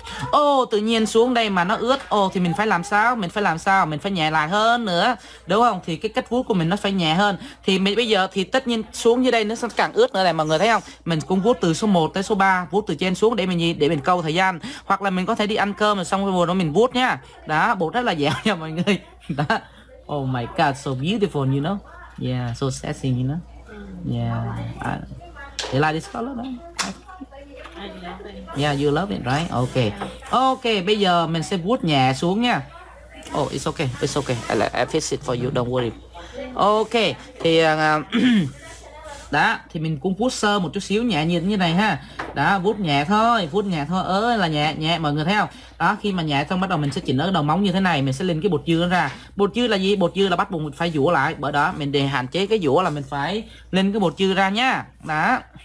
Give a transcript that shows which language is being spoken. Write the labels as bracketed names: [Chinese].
[Vietnamese] Ô, tự nhiên xuống đây mà nó ướt. Ô thì mình phải làm sao? Mình phải nhẹ lại hơn nữa, đúng không? Thì cái cách vuốt của mình nó phải nhẹ hơn. Thì mình bây giờ thì tất nhiên xuống như đây nó sẽ càng ướt nữa này mọi người thấy không? Mình cũng vuốt từ số 1 tới số 3, vuốt từ trên xuống để mình câu thời gian. Hoặc là mình có thể đi ăn cơm rồi xong rồi vừa đó mình vuốt nhá. Đó, bột rất là dẻo nha mọi người. Đó. [English] Oh my god, so beautiful, you know. Yeah, so sexy, you know. Yeah. They like this color, right? Yeah, you love it, right? Okay. [Vietnamese] Okay, bây giờ mình sẽ vuốt nhẹ xuống nha. [English] Oh, it's okay. I fix it for you, don't worry. [Vietnamese] Okay, thì đó, thì mình cũng vuốt sơ một chút xíu nhẹ như này ha. Đó, vuốt nhẹ thôi. Ơi là nhẹ, mọi người thấy không? Đó, khi mà nhẹ xong bắt đầu mình sẽ chỉnh ở đầu móng như thế này, mình sẽ lên cái bột dưa ra. Bột dưa là gì? Bột dưa là bắt buộc mình phải dũa lại. Bởi đó, mình để hạn chế cái dũa là mình phải lên cái bột dưa ra nha. Đó.